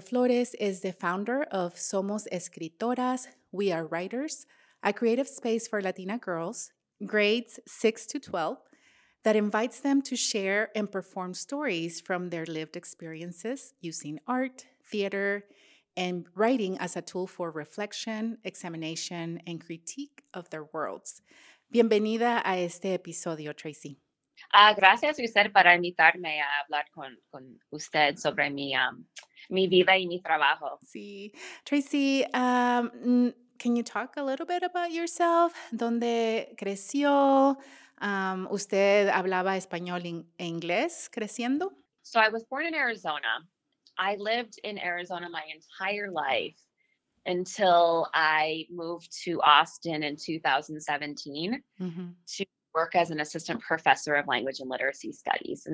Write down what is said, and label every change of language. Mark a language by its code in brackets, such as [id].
[en] Flores is the founder of Somos Escritoras, We Are Writers, a creative space for Latina girls, grades 6 to 12, that invites them to share and perform stories from their lived experiences using art, theater, and writing as a tool for reflection, examination, and critique of their worlds. [es] Bienvenida a este episodio, Tracey. Gracias, usted, para invitarme a hablar con usted sobre mi vida y mi trabajo. Sí. [en] Tracey, can you talk a little bit about yourself? [es] ¿Dónde creció? ¿Usted hablaba español e inglés creciendo? [en] So I was born in Arizona. I lived in Arizona my entire life until I moved to Austin in 2017 to work as an assistant professor of language and literacy studies.